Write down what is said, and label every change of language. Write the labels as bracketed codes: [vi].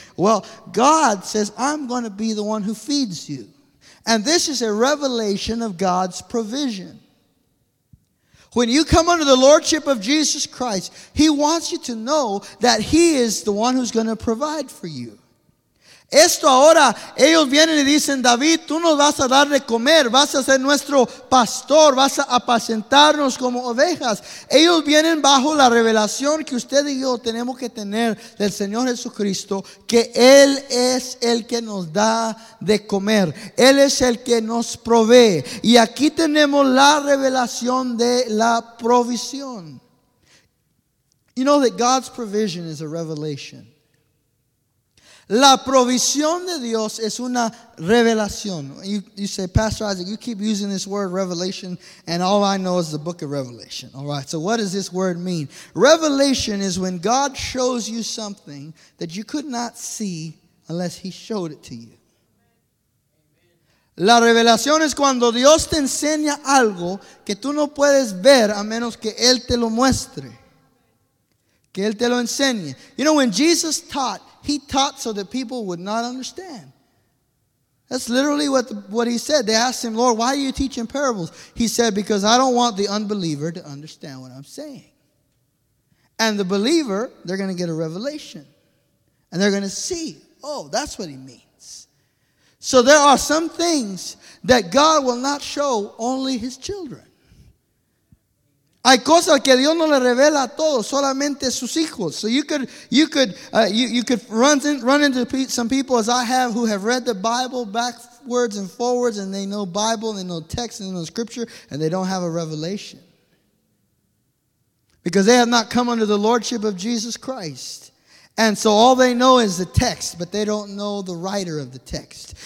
[en] Well, God says, I'm going to be the one who feeds you. And this is a revelation of God's provision. When you come under the lordship of Jesus Christ, he wants you to know that he is the one who's going to provide for you. [es] Esto ahora, ellos vienen y dicen, David, tú nos vas a dar de comer, vas a ser nuestro pastor, vas a apacentarnos como ovejas. Ellos vienen bajo la revelación que usted y yo tenemos que tener del Señor Jesucristo, que Él es el que nos da de comer. Él es el que nos provee. Y aquí tenemos la revelación de la provisión. [en] You know that God's provision is a revelation. [es] La provisión de Dios es una revelación. [en] You say, Pastor Isaac, you keep using this word revelation, and all I know is the book of Revelation. All right, so what does this word mean? Revelation is when God shows you something that you could not see unless he showed it to you. [es] La revelación es cuando Dios te enseña algo que tú no puedes ver a menos que Él te lo muestre. Que Él te lo enseñe. [en] You know, when Jesus taught, he taught so that people would not understand. That's literally what he said. They asked him, Lord, why are you teaching parables? He said, because I don't want the unbeliever to understand what I'm saying. And the believer, they're going to get a revelation. And they're going to see, oh, that's what he means. So there are some things that God will not show only his children. [es] Hay cosas que Dios no le revela a todos, solamente sus hijos. [en] So you could run into some people, as I have, who have read the Bible backwards and forwards, and they know Bible, and they know text, and they know scripture, and they don't have a revelation. Because they have not come under the lordship of Jesus Christ. And so all they know is the text, but they don't know the writer of the text.